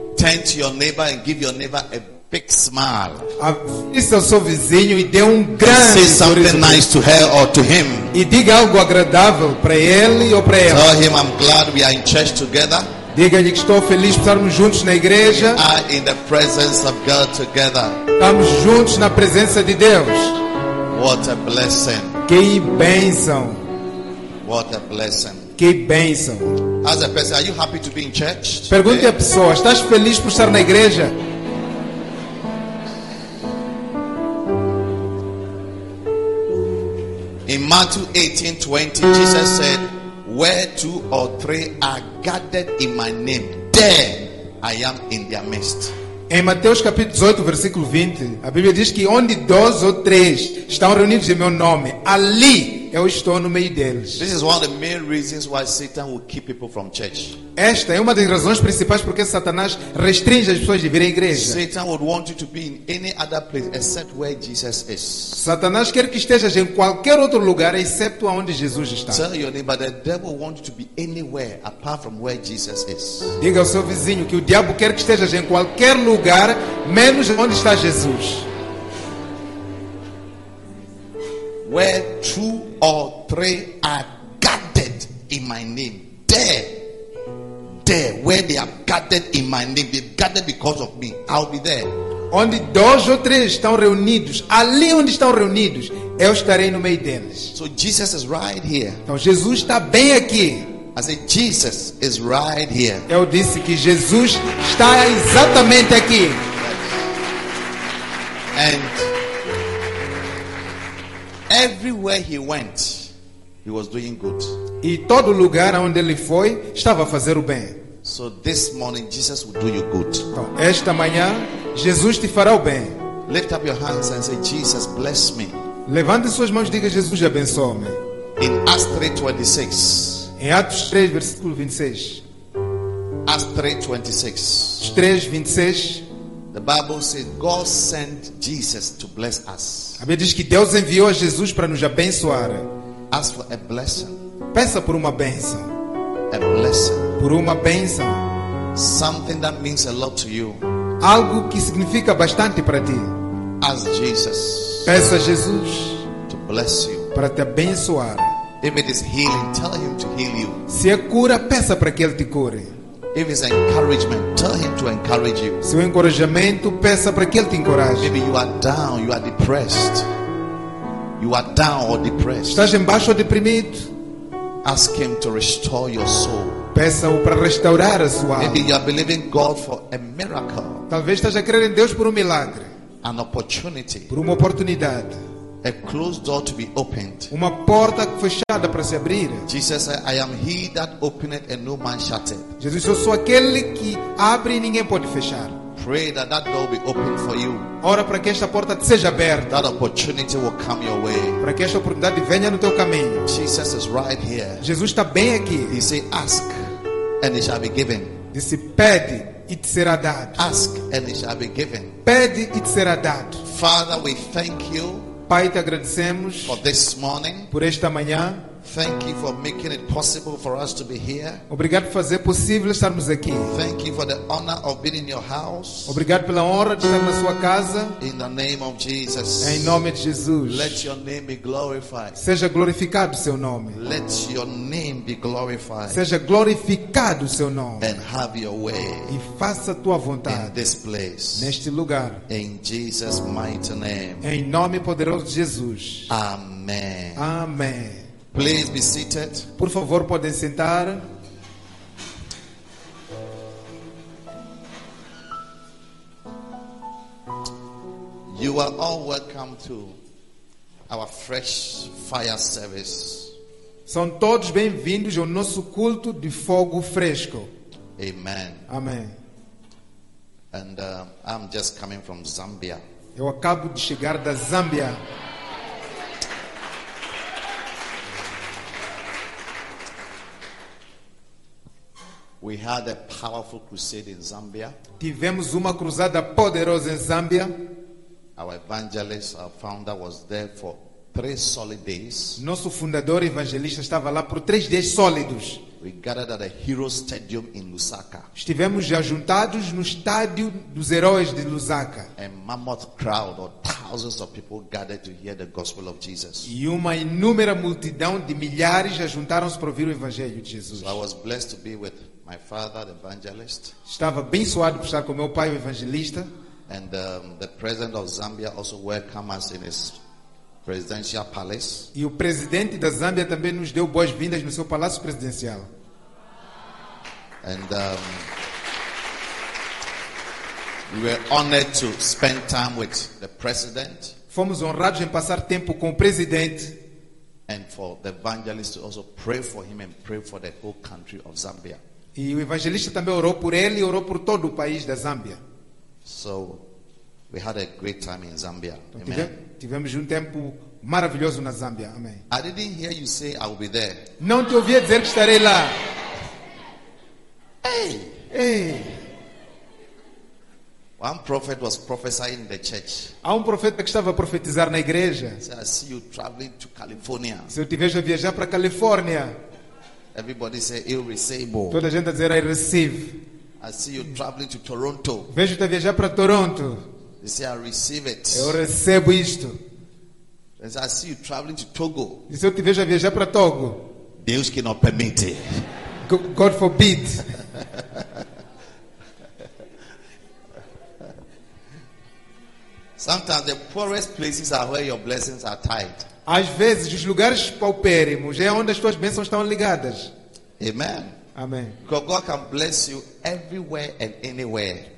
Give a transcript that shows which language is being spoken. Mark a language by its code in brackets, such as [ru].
[en] Turn to your neighbor and give your neighbor a big smile. [pt] Avise ao seu vizinho e dê um grande sorriso. [en] Say something nice to her or to him. [pt] E diga algo agradável para ele ou para ela. [en] Tell him I'm glad we are in church together. [pt] Diga-lhe que estou feliz por estarmos juntos na igreja. [en] We are in the presence of God together. [pt] Estamos juntos na presença de Deus. [en] What a blessing. [pt] Que bênção. [en] What a blessing. [pt] Que bênção. [en] As a person, are you happy to be in church? [pt] Pergunte à pessoa, estás feliz por estar na igreja? [en] In Matthew 18:20, Jesus said, "Where two or three are gathered in my name, there I am in their midst." [pt] Em Mateus capítulo 18, versículo 20, a Bíblia diz que onde dois ou três estão reunidos em meu nome, ali eu estou no meio deles. [en] This is one of the main reasons why Satan will keep people from church. [pt] Esta é uma das razões principais porque Satanás restringe as pessoas de vir à igreja. [en] Satan would want you to be in any other place except where Jesus is. [pt] Satanás quer que estejas em qualquer outro lugar exceto onde Jesus está. [en] Tell your neighbor, the devil wants you to be anywhere apart from where Jesus is. [pt] Diga ao seu vizinho que o diabo quer que estejas em qualquer lugar menos onde está Jesus. [en] Where two or three are gathered in my name, there where they are gathered in my name, they've gathered because of me, I'll be there. [pt] Onde dois ou três estão reunidos, ali onde estão reunidos, eu estarei no meio deles. [en] So Jesus is right here. [pt] Então Jesus está bem aqui. [en] I said Jesus is right here. [pt] Eu disse que Jesus está exatamente aqui. [en] And everywhere he went, he was doing good. [pt] E todo lugar onde ele foi, estava a fazer o bem. [en] So this morning Jesus will do you good. [pt] Então, esta manhã Jesus te fará o bem. [en] Lift up your hands and say Jesus bless me. [pt] Levante suas mãos e diga Jesus abençoe-me. [en] In Acts 3:26. [pt] Em Atos 3 versículo 26. [en] Acts 3:26. [pt] 3:26. [en] The Bible says God sent Jesus to bless us. [pt] A Bíblia diz que Deus enviou a Jesus para nos abençoar. [en] Ask for a blessing. [pt] Peça por uma bênção. [en] A blessing. [pt] Por uma bênção. [en] Something that means a lot to you. [pt] Algo que significa bastante para ti. [en] Ask Jesus. [pt] Peça a Jesus [en] to bless you. [pt] Para te abençoar. [en] If it is healing, tell him to heal you. [pt] Se é cura, peça para que ele te cure. [en] If it's encouragement, tell him to encourage you. [pt] Se é encorajamento, peça para que ele te encoraje. [en] Maybe you are down, you are depressed. You are down or depressed. [pt] Estás embaixo ou deprimido? [en] Ask him to restore your soul. [pt] Peça-o para restaurar a sua alma. [en] Maybe you are believing God for a miracle. [pt] Talvez estás a crer em Deus por um milagre. [en] An opportunity. [pt] Por uma oportunidade. [en] A closed door to be opened. [pt] Uma porta fechada para se abrir. [en] Jesus said, "I am he that openeth and no man shutteth." [pt] Jesus, eu sou aquele que abre e ninguém pode fechar. [en] Pray that that door be opened for you. [pt] Ora para que esta porta te seja aberta. [en] That opportunity will come your way. [pt] Para que esta oportunidade venha no teu caminho. [en] Jesus is right here. [pt] Jesus está bem aqui. [en] He said, "Ask and it shall be given." [pt] Disse, pede e te será dado. [en] Ask and it shall be given. [pt] Pede e te será dado. [en] Father, we thank you. [pt] Pai, te agradecemos [en] for this morning, [pt] por esta manhã. [en] Thank you for making it possible for us to be here. [pt] Obrigado por fazer possível estarmos aqui. [en] Thank you for the honor of being in your house. [pt] Obrigado pela honra de estar na sua casa. [en] In the name of Jesus. [pt] Em nome de Jesus. [en] Let your name be glorified. [pt] Seja glorificado seu nome. [en] Let your name be glorified. [pt] Seja glorificado seu nome. [en] And have your way. [pt] E faça a tua vontade. [en] In this place. [pt] Neste lugar. [en] In Jesus' mighty name. [pt] Em nome poderoso de Jesus. Amém. Amém. [en] Please be seated. [pt] Por favor, podem sentar. [en] You are all welcome to our fresh fire service. [pt] São todos bem-vindos ao nosso culto de fogo fresco. [en] Amen. [pt] Amém. [en] And I'm just coming from Zambia. [pt] Eu acabo de chegar da Zâmbia. [en] We had a powerful crusade in Zambia. [pt] Tivemos uma cruzada poderosa em Zâmbia. [en] Our evangelist, our founder, was there for 3 solid days. [pt] Nosso fundador evangelista estava lá por 3 dias sólidos. [en] We gathered at a hero stadium in Lusaka. [pt] Estivemos já juntados no estádio dos heróis de Lusaka. [en] A mammoth crowd of thousands of people gathered to hear the gospel of Jesus. [pt] E uma inúmera multidão de milhares já juntaram-se para ouvir o evangelho de Jesus. [en] So I was blessed to be with my father, the evangelist. [pt] Estava abençoado por estar com meu pai, o evangelista. [en] And the president of Zambia also welcomed us in his presidential palace. [pt] E o presidente da Zâmbia também nos deu boas-vindas no seu palácio presidencial. [en] And we were honored to spend time with the president. [pt] Fomos honrados em passar tempo com o presidente. [en] And for the evangelist to also pray for him and pray for the whole country of Zambia. [pt] E o evangelista também orou por ele e orou por todo o país da Zâmbia. [en] So we had a great time in Zambia. Amen. [pt] Tivemos um tempo maravilhoso na Zâmbia. Amém. [en] I didn't hear you say I'll be there. [pt] Não te ouvi dizer que estarei lá. [en] Hey. One prophet was prophesying in the church. [pt] Há um profeta que estava a profetizar na igreja. [en] He said, I see you traveling to California. [pt] Se eu te vejo a viajar para a Califórnia. [en] Everybody said irreceivable. [pt] Toda a gente a dizer [en] I receive. I see you traveling to Toronto. [pt] Vejo-te a viajar para Toronto. [en] He said, I receive it. [pt] Eu recebo isto. [en] He said, I see you traveling to Togo. [pt] E se eu te vejo a viajar para Togo. Deus que não permite. [en] God forbid. Sometimes the poorest places are where your blessings are tied. [pt] Às vezes os lugares paupérrimos é onde as tuas bênçãos estão ligadas. [en] Amen. [pt] Amém. [en] God can bless you everywhere and anywhere.